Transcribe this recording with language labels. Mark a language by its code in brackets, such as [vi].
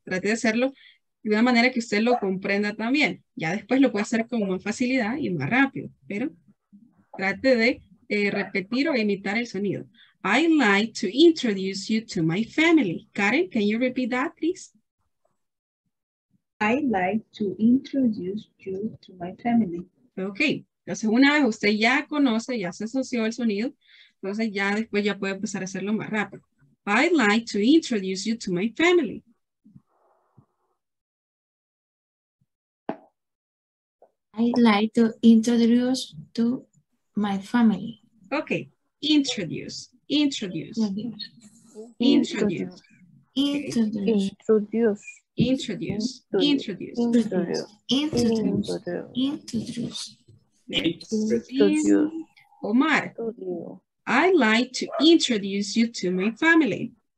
[es] Trate de hacerlo de una manera que usted lo comprenda también. Ya después lo puede hacer con más facilidad y más rápido. Pero trate de repetir o imitar el sonido. [en] I'd like to introduce you to my family. Karen, can you repeat that, please? I'd like to introduce you to my family. Okay. [es] Entonces, una vez usted ya conoce, ya se asoció el sonido, entonces ya después ya puede empezar a hacerlo más rápido. [en] I'd like to introduce you to my family. I'd like to introduce to my family. Okay, introduce. Omar, I'd like to introduce you to my family.